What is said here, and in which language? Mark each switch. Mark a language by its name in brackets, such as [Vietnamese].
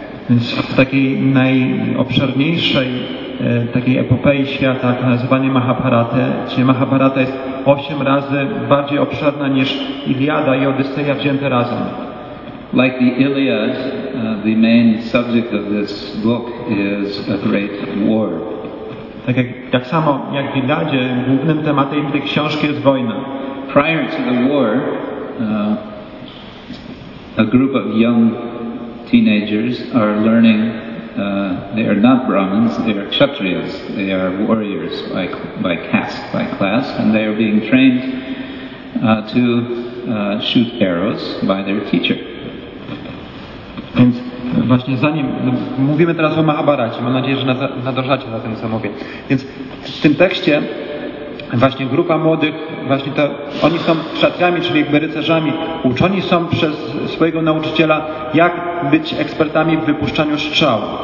[Polish] Więc w takiej najobszerniejszej takiej epopei świata, tak nazywanej Mahabharatę, czyli Mahabharata jest 8 razy bardziej obszerna niż Iliada i Odyseja wzięte razem. [English] Like the Iliad, the main subject of this book is a great war. [Polish] Tak jak, samo jak w Iliadzie, głównym tematem tej książki jest wojna. [English] Prior to the war, a group of young teenagers are learning, they are not Brahmins, they are Kshatriyas, they are warriors by caste, by class, and they are being trained to shoot arrows by their teacher. [Polish] Więc właśnie zanim, mówimy teraz o Mahabharacie, mam nadzieję, że nadążacie za tym, co mówię. Więc w tym tekście właśnie grupa młodych, właśnie to, oni są kszatriami, czyli jakby rycerzami, uczeni są przez swojego nauczyciela, jak być ekspertami w wypuszczaniu strzał.